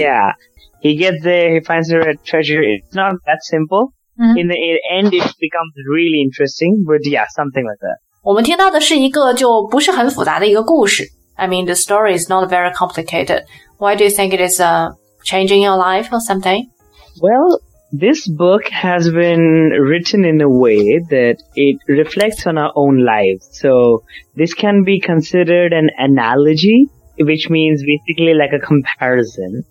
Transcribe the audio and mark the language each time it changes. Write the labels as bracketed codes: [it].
[en] Yeah, he gets there, he finds her a treasure. It's not that simple. Mm-hmm. In the end, it becomes really interesting, but yeah, something like that. [zh] 我们听到的是一个就不是很复杂的一个故事。 [en] I mean, the story is not very complicated. Why do you think it is changing your life or something? Well, this book has been written in a way that it reflects on our own lives. So this can be considered an analogy, which means basically like a comparison、